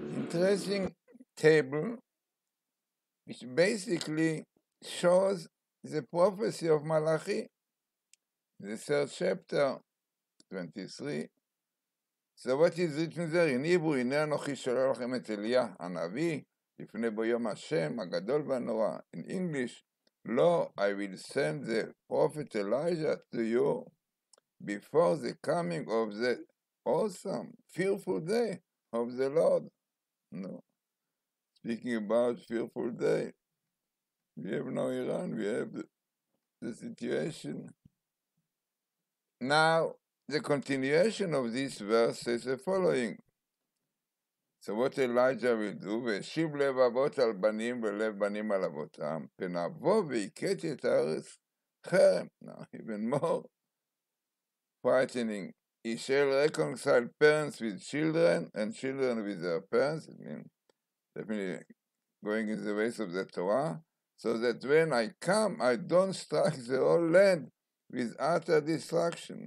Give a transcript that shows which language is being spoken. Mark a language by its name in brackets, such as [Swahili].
[English] dressing table, which basically shows the prophecy of Malachi, the third chapter, 23. So what is written there? In Hebrew, [Hebrew] הנה אנוכי שולח לכם את אליה הנביא, לפני בו יום השם, הגדול והנורא. [English] In English, לא, I will send the prophet Elijah to you before the coming of the awesome, fearful day of the Lord. No. Speaking about fearful day, we have now Iran, we have the situation. Now, the continuation of this verse is the following. So what Elijah will do, [Hebrew] וישיב לב אבות על בנים ולב בנים על אבותם, ונבוא ויקטי את הארץ חרם. [English] Now, even more frightening. He shall reconcile parents with children and children with their parents. I mean, definitely going in the ways of the Torah. So that when I come, I don't strike the whole land with utter destruction.